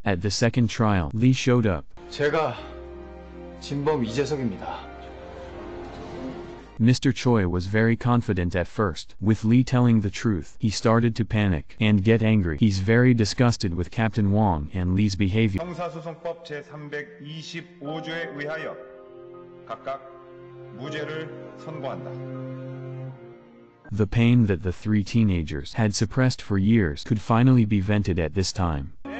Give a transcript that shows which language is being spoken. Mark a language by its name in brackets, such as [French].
[English] At the second trial, Lee showed up. Mr. Choi was very confident at first. With Lee telling the truth, he started to panic and get angry. He's very disgusted with Captain Wong and Lee's behavior. [Korean] 형사소송법 제325조에 의하여 각각 무죄를 선고한다. [English] The pain that the three teenagers had suppressed for years could finally be vented at this time.